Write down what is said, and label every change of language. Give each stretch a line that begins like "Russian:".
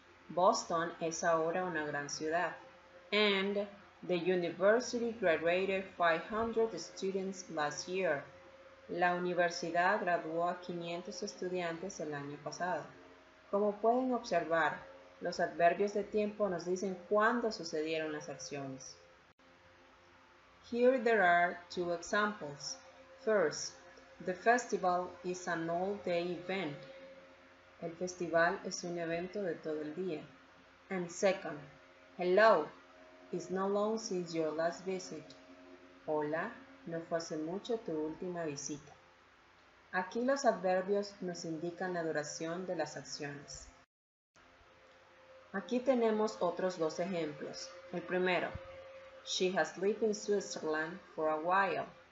Spanish: Boston es ahora una gran ciudad.
English: And the university graduated 500 students last year.
Spanish: La universidad graduó a 500 estudiantes el año pasado. Como pueden observar, los adverbios de tiempo nos dicen cuándo sucedieron las acciones.
English: Here there are two examples. First, the festival is an all-day event.
Spanish: El festival es un evento de todo el día.
English: And second, hello, it's not long since your last visit.
Spanish: Hola, no fue hace mucho tu última visita. Aquí los adverbios nos indican la duración de las acciones. Aquí tenemos otros dos ejemplos. El primero,
English: she has lived in Switzerland for a while.